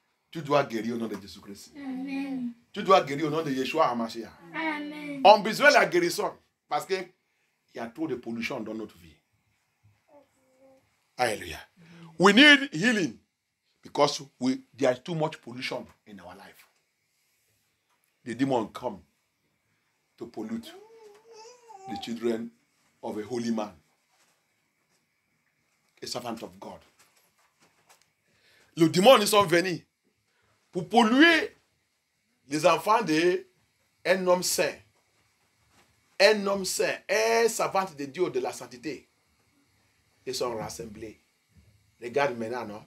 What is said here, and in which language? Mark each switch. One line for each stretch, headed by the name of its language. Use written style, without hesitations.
French: Tu dois guérir au nom de Jésus-Christ. Amen. Tu dois guérir au nom de Yeshua HaMashiach. Amen. On a besoin de la guérison parce que il y a trop de pollution dans notre vie. Alléluia. Amen.
English: We need healing because there is too much pollution in our life. The demon come to pollute the children of a holy man, a servant of God.
French: Le démon est venu pour polluer les enfants d'un homme saint. Un homme saint, un servante de Dieu de la sainteté. Ils sont rassemblés. Regarde maintenant, non?